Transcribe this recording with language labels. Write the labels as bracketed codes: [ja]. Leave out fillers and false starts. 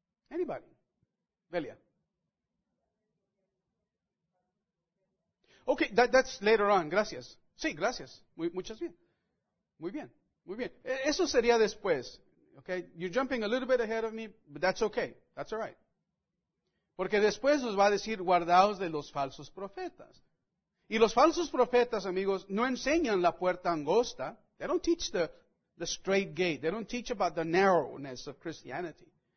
[en] Anybody? Velia. Okay, that's later on. [es] Gracias. Sí, gracias. Muchas bien. Muy bien. Muy bien. Eso sería después. Okay? [en] You're jumping a little bit ahead of me, but that's okay. That's all right. [es] Porque después nos va a decir, guardaos de los falsos profetas. Y los falsos profetas, amigos, no enseñan la puerta angosta. [en] They don't teach the straight gate. They don't teach about the narrowness of Christianity.